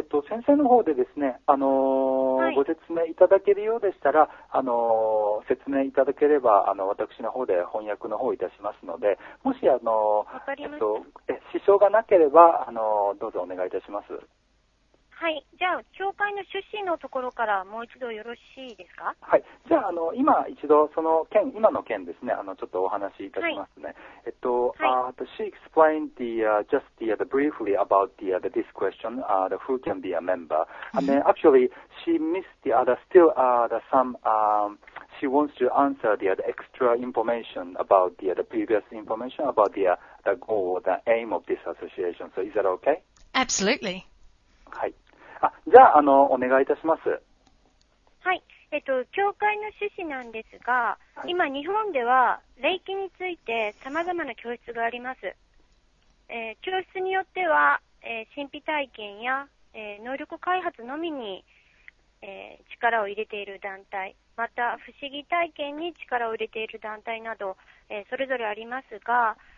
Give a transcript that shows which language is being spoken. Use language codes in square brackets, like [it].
[ja] 先生の方でですね、はい、ご説明いただけるようでしたら、説明いただければ私の方で翻訳の方いたしますので、もし支障がなければどうぞお願いいたします。はい。じゃあ、協会の趣旨のところからもう一度よろしいですか。はい。じゃあ、今一度、その件、今の件ですね、ちょっとお話しいたしますね。はい、 [en] She explained just briefly about this question, who can be a member. And then, actually, she missed she wants to answer the extra information about the previous information about the goal, the aim of this association. So, is that okay? Absolutely. [ja] はい。じゃあ、お願いいたします。はい。協会の趣旨なんですが、はい、今日本では霊気について様々な教室があります。教室によっては、神秘体験や、能力開発のみに、力を入れている団体、また不思議体験に力を入れている団体など、それぞれありますが、